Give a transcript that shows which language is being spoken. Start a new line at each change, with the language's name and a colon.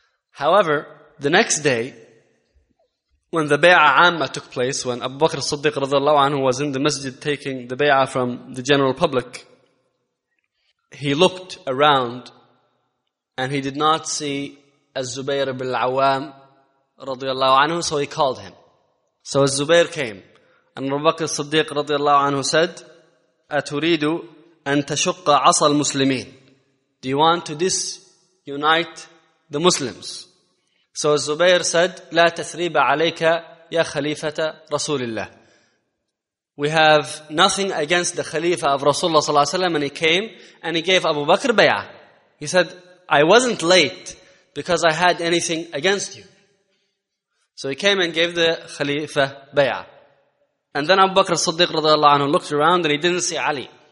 English: However, the next day, when the bay'ah amma took place, when Abu Bakr as-Siddiq radiallahu anhu was in the masjid taking the bay'ah from the general public, he looked around and he did not see Az-Zubayr ibn al-Awwam radiallahu anhu, so he called him. So Az-Zubayr came and Abu Bakr as-Siddiq radiallahu anhu said,
Arabic: أَتُرِيدُ أَن تَشُقَّ عَصَى الْمُسْلِمِينَ.
English: Do you want to disunite the Muslims? So Zubair said,
Arabic: لا تثريب عليك يا خليفة رسول الله.
English: We have nothing against the Khalifa of Rasulullah صلى الله عليه وسلم, and he came and he gave Abu Bakr bay'ah. He said, I wasn't late because I had anything against you. So he came and gave the Khalifa bay'ah. And then Abu Bakr as-Siddiq radiallahu anhu looked around and he didn't see Ali.